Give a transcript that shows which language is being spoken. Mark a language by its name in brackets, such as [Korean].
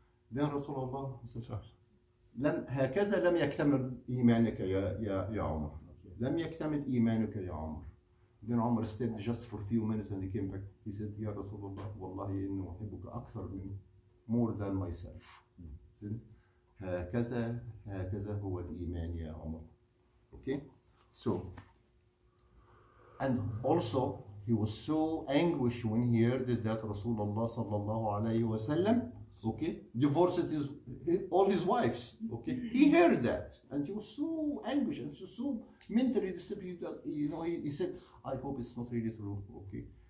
[English] Then Rasulullah said, [Arabic] لم هكذا لم يكتمل إيمانك يا عمر. لم يكتمل إيمانك يا عمر. [English] Then Umar stayed just for a few minutes and he came back. He said, [Arabic] يا رسول الله والله إني أحبك أكثر من [English] more than myself. He said, [Arabic] هكذا هو الإيمان يا عمر. [English] Okay, so. And also, he was so anguished when he heard that Rasulullah sallallahu alayhi wa sallam, okay, divorced all his wives, okay. He heard that, and he was so anguished, and so mentally disturbed, you know, he said, I hope it's not really true, okay.